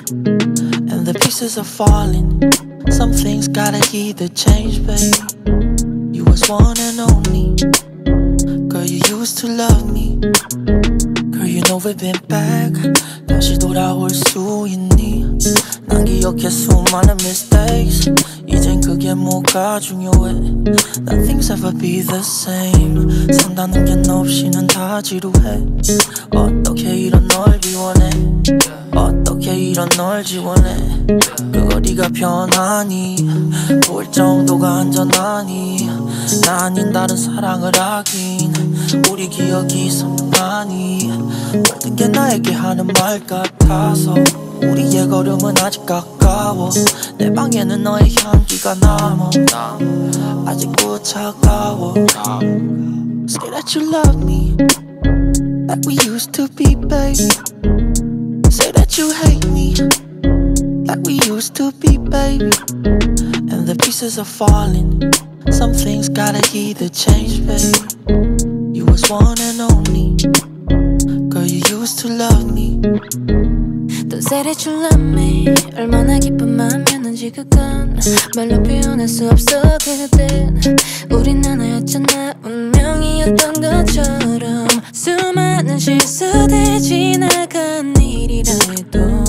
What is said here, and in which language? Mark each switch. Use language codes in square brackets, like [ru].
[en] And the pieces are falling Some things gotta either change, baby You was one and only Girl, you used to love me Girl, you know we've been back [ko] 다시 돌아올 수 있니? 난 기억해 수많은 mistakes 이젠 그게 뭐가 중요해 [en] Nothing's ever be the same [ko] 산다는 게 너 없이는 다 지루해 어떻게 이런 널 비워내 어떻게 이런 널 지원해 그 거리가 편하니 볼 정도가 안전하니 나 아닌 다른 사랑을 하긴 우리 기억이 선명하니 모든 게 나에게 하는 말 같아서 우리의 걸음은 아직 가까워 내 방에는 너의 향기가 남아 아직도 차가워 [en] Say that you love me Like we used to be, baby Say that you hate me Like we used to be, baby And the pieces are falling Some things gotta either change, baby You was one and only Girl, you used to love me Don't say that you love me [ko] 얼마나 깊은 마음이었는지 그건 말로 표현할 수 없어 그땐 우린 하나였잖아 운명이었던 것처럼 수많은 실수들 지나간 일이라 해도